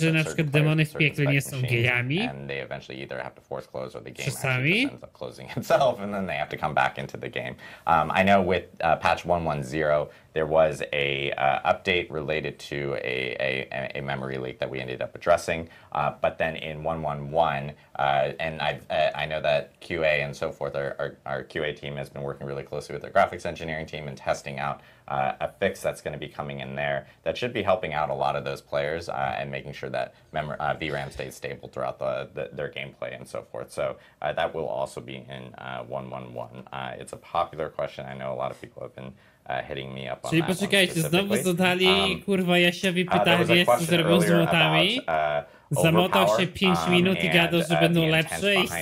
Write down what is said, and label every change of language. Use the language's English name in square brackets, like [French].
[Polish] że na przykład demony w piekle nie są gejami? [English] And they eventually either have to force close or the game actually ends up closing itself and then they have to come back into the game. I know with patch 110 there was a update related to a memory leak that we ended up addressing, but then in 111 and I know that QA and so forth, our QA team has been working really closely with our graphics engineering team and testing out a fix that's going to be coming in there that should be helping out a lot of those players and making sure that VRAM stays stable throughout their gameplay and so forth. So that will also be in 111. It's a popular question. I know a lot of people have been hitting me up on [Polish] czyli [English] that one specifically. [Polish] Czyli poczekajcie, znowu zadali kurwa Jasiowi pytanie, co zrobią z złotami. Zamotał się 5 minut i gadał, że będą lepsze i...